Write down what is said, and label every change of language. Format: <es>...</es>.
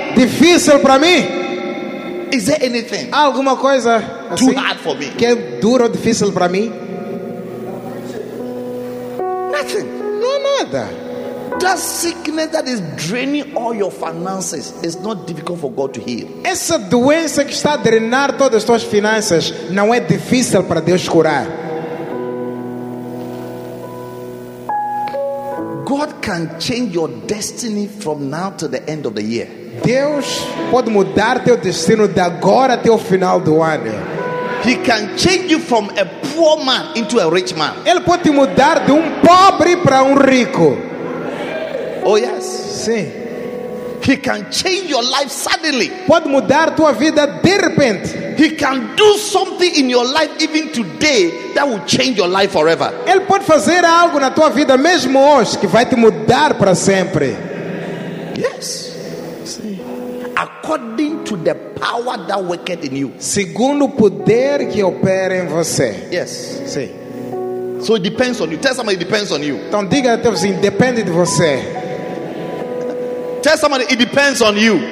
<pt>Difícil para mim?</pt> <en>Is there anything?</en> <pt>Há alguma coisa assim</pt> <en>too hard for me?</en> <pt>Que é dura ou difícil para mim?</pt> <en>That sickness that is draining all your finances is not difficult for God to heal.</en> <pt>Essa doença que está a drenar todas as tuas finanças não é difícil para Deus curar.</pt> <en>God can change your destiny from now to the end of the year.</en> <pt>Deus pode mudar teu destino de agora até o final do ano.</pt> <en>He can change you from a poor man into a rich man.</en> <pt>Ele pode te mudar de pobre para rico.</pt> <en>Oh yes.</en> <pt>Sim.</pt> <en>He can change your life suddenly.</en> <pt>Pode mudar tua vida de repente.</pt> <en>He can do something in your life even today that will change your life forever.</en> <pt>Ele pode fazer algo na tua vida mesmo hoje que vai te mudar para sempre.</pt> <en>Yes. According to the power that worketh in you.</en> <pt>Segundo o poder que opera em você.</pt> <en>Yes.</en> <pt>Sim.</pt> <en>So it depends on you. Tell somebody it depends on you.</en> <pt>Então diga para ele, depende de você.</pt> <en>Tell somebody it depends on you.</en>